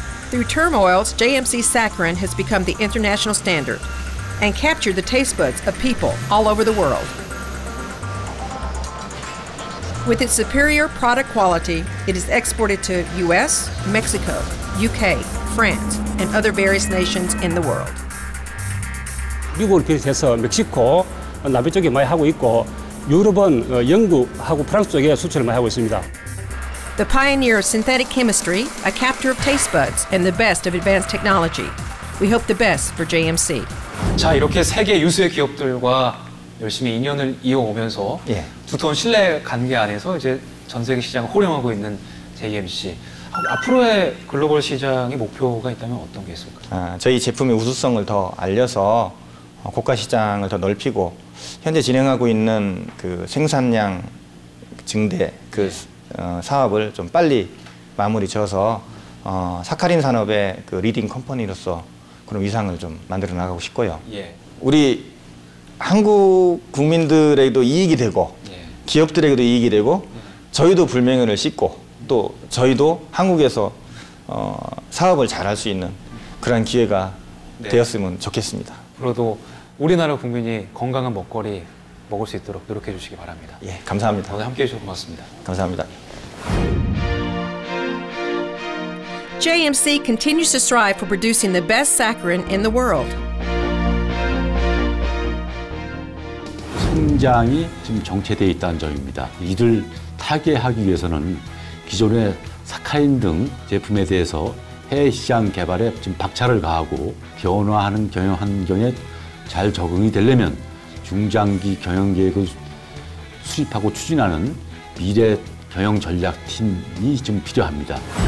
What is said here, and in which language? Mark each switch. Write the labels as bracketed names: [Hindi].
[English] Through turmoils, JMC saccharin has become the international standard and captured the taste buds of people all over the world. With its superior product quality, it is exported to US, Mexico, UK, France, and other various nations in the world. [Korean] 미국을 비롯해서 멕시코, 남미 쪽에 많이 하고 있고 유럽은 영국하고 프랑스 쪽에 수출을 많이 하고 있습니다. [English] The pioneer of synthetic chemistry, a captor of taste buds, and the best of advanced technology. We hope the best for JMC. [Korean] 자, 이렇게 세계 유수의 기업들과 열심히 인연을 이어오면서 예. 두터운 신뢰 관계 안에서 이제 전 세계 시장을 호령하고 있는 JMC. 앞으로의 글로벌 시장의 목표가 있다면 어떤 게 있을까요? 아, 저희 제품의 우수성을 더 알려서 고가 시장을 더 넓히고 현재 진행하고 있는 그 생산량 증대 그 사업을 좀 빨리 마무리 지어서 사카린 산업의 그 리딩 컴퍼니로서 그런 위상을 좀 만들어 나가고 싶고요. 예. 우리 한국 국민들에게도 이익이 되고 예. 기업들에게도 이익이 되고 예. 저희도 불명예를 씻고 또 저희도 한국에서 사업을 잘할 수 있는 그런 기회가 네. 되었으면 좋겠습니다. 앞으로도 우리나라 국민이 건강한 먹거리 먹을 수 있도록 노력해 주시기 바랍니다. 예, 감사합니다. 오늘 함께해 주셔서 고맙습니다. 감사합니다. [English] JMC continues to strive for producing the best saccharin in the world. [Korean] 성장이 지금 정체되어 있다는 점입니다. 이를 타개하기 위해서는 기존의 사카린 등 제품에 대해서 해외 시장 개발에 지금 박차를 가하고 변화하는 경영 환경에 잘 적응이 되려면 중장기 경영 계획을 수립하고 추진하는 미래 경영 전략 팀이 지금 필요합니다.